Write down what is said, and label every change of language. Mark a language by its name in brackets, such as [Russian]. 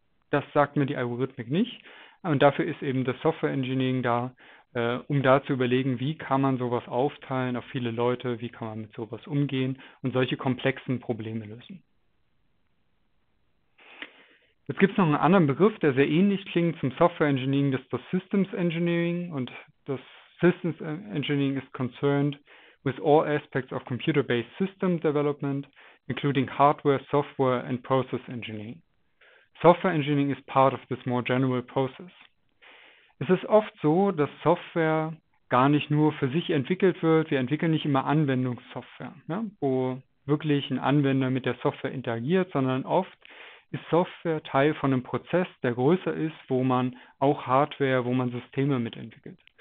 [German] Das sagt mir die Algorithmik nicht. Und dafür ist eben das Software Engineering da, um da zu überlegen, wie kann man sowas aufteilen auf viele Leute, wie kann man mit sowas umgehen und solche komplexen Probleme lösen. Jetzt gibt es noch einen anderen Begriff, der sehr ähnlich klingt zum Software Engineering, das ist das Systems Engineering. Und das [English] Systems Engineering is concerned with all aspects of computer-based system development, including hardware, software and process engineering. Software Engineering is part of this more general process. [German] Es ist oft so, dass Software gar nicht nur für sich entwickelt wird. Wir entwickeln nicht immer Anwendungssoftware, ne, wo wirklich ein Anwender mit der Software interagiert, sondern oft ist Software Teil von einem Prozess, der größer ist, wo man auch Hardware, wo man Systeme mitentwickelt.